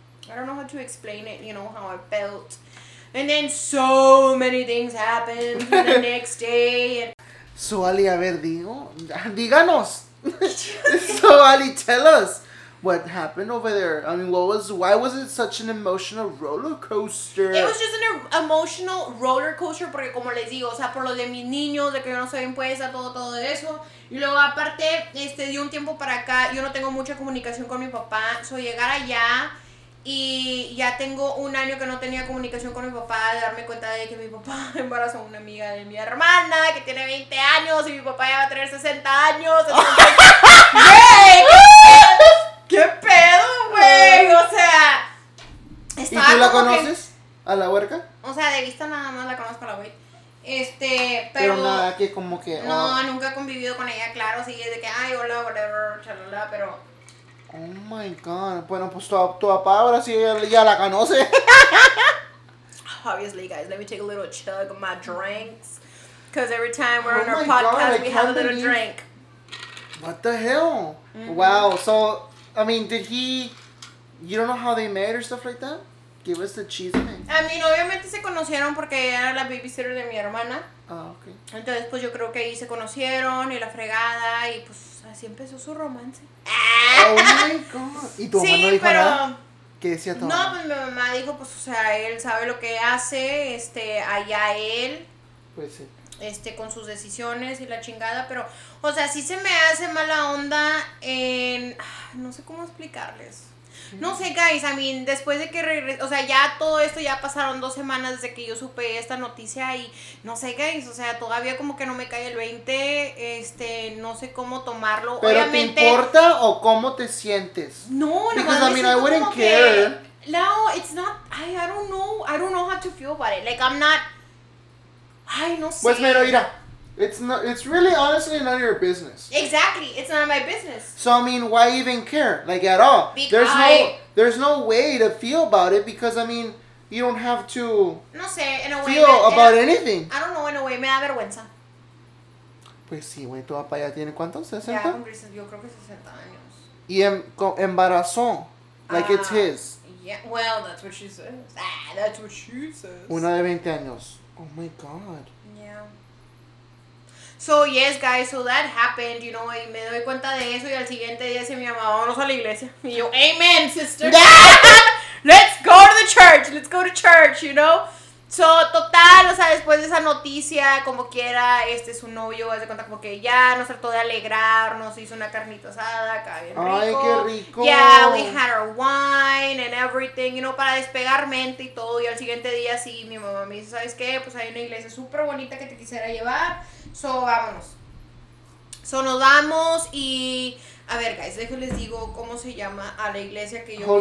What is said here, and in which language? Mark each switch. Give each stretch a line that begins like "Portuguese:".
English: I don't know how to explain it, you know, how I felt. And then so many things happened the next day.
Spanish: So Ali, a ver, díganos.
English: So Ali, tell us what happened over there. I mean, why was it such an emotional roller coaster?
Spanish: It was just an emotional roller coaster porque como les digo, o sea, por lo de mis niños, de que yo no soy impuesta, todo eso. Y luego aparte, de un tiempo para acá, yo no tengo mucha comunicación con mi papá. So llegar allá y ya tengo un año que no tenía comunicación con mi papá, darme cuenta de que mi papá embarazó a una amiga de mi hermana que tiene 20 años y mi papá ya va a tener 60 años. ¿Qué pedo, güey? O sea, estaba. ¿Y tú la conoces? Que, ¿a la huerca? O sea, de vista nada más la conozco a la güey. Pero nada, que como que. No, oh. Nunca he convivido con ella, claro. Sí, es de que, ay, hola, whatever, chalala, pero.
English: Oh my god.
Spanish: Bueno, pues tu papá ahora sí ya la conoce.
English: Obviously, guys, let me take a little chug of my drinks. Because every time we're on our podcast, we have a little drink. What the hell? Mm-hmm. Wow, so. I mean, you don't know how they met or stuff like that? Give us the chisme.
Spanish: I mean, obviamente se conocieron porque ella era la babysitter de mi hermana.
English: Ah, ok.
Spanish: Entonces, pues yo creo que ahí se conocieron y la fregada y pues así empezó su romance. Oh my god. ¿Y tu mamá no dijo pero, nada? ¿Qué decía tu mamá? No, pues mi mamá dijo, pues, o sea, él sabe lo que hace, allá él. Pues sí. Con sus decisiones y la chingada, pero, o sea, sí se me hace mala onda en, no sé cómo explicarles, no sé, guys, I mean, después de que regresé, o sea, ya todo esto, ya pasaron 2 semanas desde que yo supe esta noticia y, no sé, guys, o sea, todavía como que no me cae el 20, no sé cómo tomarlo. ¿Pero obviamente, te importa o cómo te sientes? No, porque, nomás,
English: I mean, I wouldn't care. No, it's not, I don't know how to feel about it, like, I'm not.
Spanish: Ay, no sé.
English: Pues mira, it's really honestly none of your business. Exactly, it's none of my business. So I mean, why even care, like at all? Because there's no way to feel about it because I mean, you don't have to. No sé, in a way. Feel about anything. I don't know, in a way, me da vergüenza.
Spanish: Pues sí, güey, tu papá ya tiene cuántos, 60. Ya, yo creo que 60 años.
English: Y embarazó, like it's his. Yeah, well, that's what she says. That's what she says.
Spanish: Una de 20 años. Oh my god. Yeah. So yes, guys, so that happened, you know, y me doy cuenta de eso y al siguiente día se me llamaba, vámonos a la iglesia.
English: Y yo, amen, sister. Let's go to the church. Let's go to church, you know?
Spanish: So total, o sea, después de esa noticia, como quiera, su novio, haz de cuenta como que ya nos trató de alegrar, nos hizo una carnita asada, acá bien rico. Ay, qué rico.
English: Yeah, we had our wine and everything, you know, para despegar mente y todo.
Spanish: Y al siguiente día sí, mi mamá me dice, ¿sabes qué? Pues hay una iglesia súper bonita que te quisiera llevar. So vámonos. So nos vamos y a ver, guys, déjenles digo cómo se llama a la iglesia que yo